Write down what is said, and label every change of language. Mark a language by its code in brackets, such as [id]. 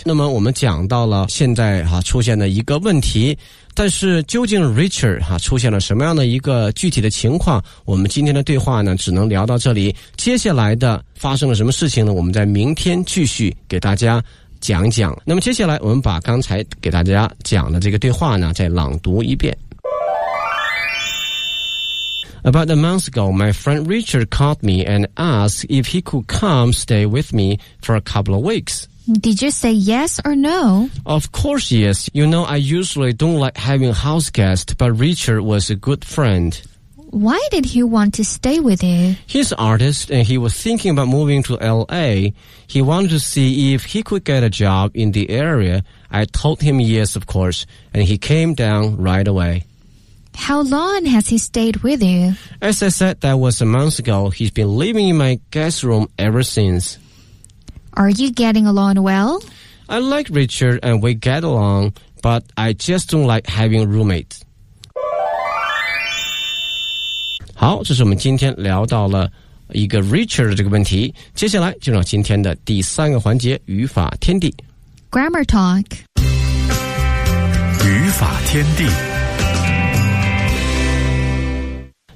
[zh] 那么我们讲到了现在、啊、出现的一个问题，但是究竟 Richard、啊、出现了什么样的一个具体的情况，我们今天的对话呢只能聊到这里，接下来的发生了什么事情呢，我们在明天继续给大家讲讲。那么接下来我们把刚才给大家讲的这个对话呢再朗读一遍。 [en] About a month ago, my friend Richard called me and asked if he could come stay with me for a couple of weeks. Did you say yes or no? Of course yes. You know, I usually don't like having house guests, but Richard was a good friend. Why did he want to stay with you? He's an artist, and he was thinking about moving to L.A. He wanted to see if he could get a job in the area. I told him yes, of course, and he came down right away. How long has he stayed with you? As I said, that was a month ago. He's been living in my guest room ever since. Are you getting along well? I like Richard, and we get along, but I just don't like having roommates. [zh] 好，这是我们今天聊到了一个 Richard 的这个问题。接下来进入今天的第三个环节，语法天地 [en] Grammar Talk。 [zh] 语法天地，